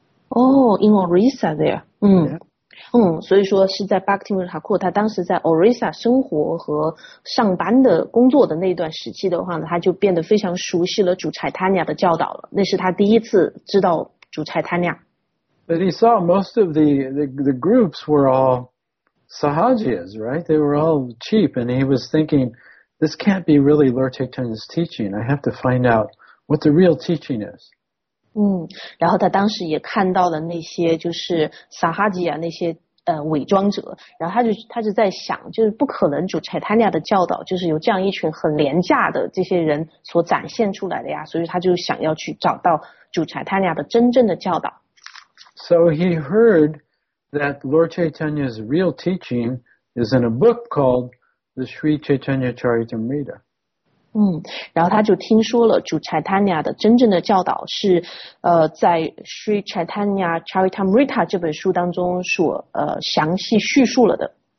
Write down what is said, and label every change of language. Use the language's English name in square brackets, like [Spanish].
[English] In Orissa there. [Chinese] 所以说是在 Bhaktivinoda Thakur 他当时在 Orissa 生活和上班的工作的那段时期的话呢，他就变得非常熟悉了主 Chaitanya 的教导了，那是他第一次知道主差他娘。 [English] But he saw most of the groups were all sahajiyas, right? They were all cheap, and he was thinking, this can't be really Lord Chaitanya's teaching. I have to find out what the real teaching is. [Chinese] 然后他当时也看到了那些就是 sahajiya 那些伪装者，然后他就在想，就是不可能主差他娘的教导就是由这样一群很廉价的这些人所展现出来的呀，所以他就想要去找到。 [English] So he heard that Lord Chaitanya's real teaching is in a book called the Sri Chaitanya Charitamrita. [Chinese] 然后他就听说了主 Chaitanya 的真正的教导是在 Sri Chaitanya Charitamrita 这本书当中所详细叙述了的。